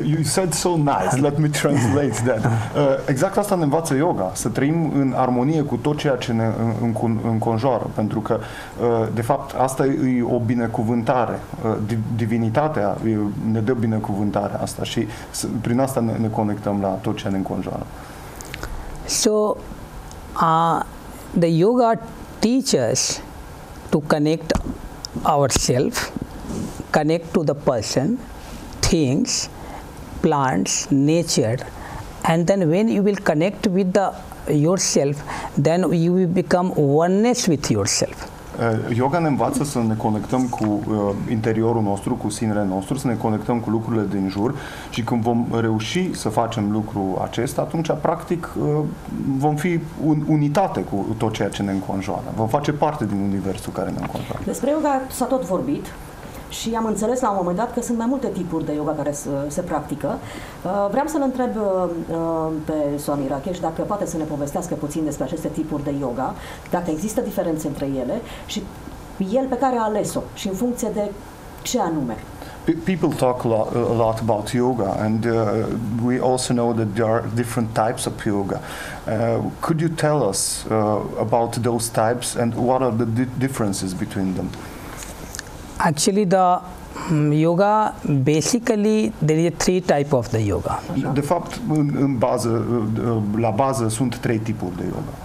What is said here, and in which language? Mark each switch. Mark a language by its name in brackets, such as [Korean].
[English] You said so nice, let me translate that. [Romanian] Exact asta ne învață yoga, să trăim în armonie cu tot ceea ce ne înconjoară, pentru că, de fapt, asta e o binecuvântare. Divinitatea ne dă binecuvântarea asta și prin asta ne conectăm la tot ce ne înconjoară. [English] So, the yoga teaches to connect ourself, connect to the person, things, plants, nature, and then when you will connect with the yourself, then you will become oneness with yourself. [Romanian] Yoga ne învață să ne conectăm cu interiorul nostru, cu sinele nostru, să ne conectăm cu lucrurile din jur și când vom reuși să facem lucrul acesta, atunci practic vom fi în unitate cu tot ceea ce ne înconjoară. Vom face parte din universul care ne înconjoară. Despre yoga s-a tot vorbit Și am înțeles la un moment dat că sunt mai multe tipuri de yoga care se practică. Vreau să-l întreb pe Swami Rakesh dacă poate să ne povestească puțin despre aceste tipuri de yoga, dacă există diferențe între ele și el pe care a ales-o și în funcție de ce anume. [English] People talk a lot about yoga, and we also know that there are different types of yoga. Could you tell us about those types and what are the differences between them? Actually, the yoga, basically, there are three types of the yoga. [Romanian] De fapt, în bază, la bază, sunt trei tipuri de yoga.